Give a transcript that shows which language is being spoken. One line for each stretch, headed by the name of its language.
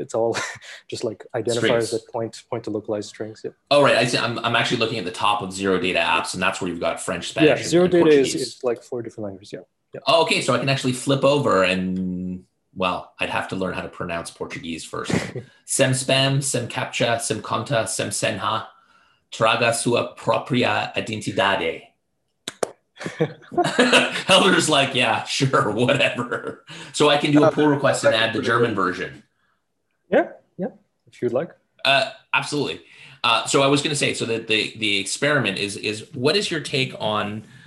English: It's all just like identifiers strings. That point to localized strings. Yeah. Oh, right. I see. I'm actually looking at the top of Zero Data apps, and that's where you've got French, Spanish, yeah, Zero and Data Portuguese. Is like four different languages. Yeah. Yeah. Oh, okay. So I can actually flip over and... Well, I'd have to learn how to pronounce Portuguese first.
Portuguese: Sem spam, sem captcha, sem conta, sem senha, traga sua propria identidade.
English: Helder's like, yeah, sure, whatever. So I can do a pull request and add the German version. Yeah, if you'd like. Absolutely. So I was going to say, so that the experiment is what is your take on...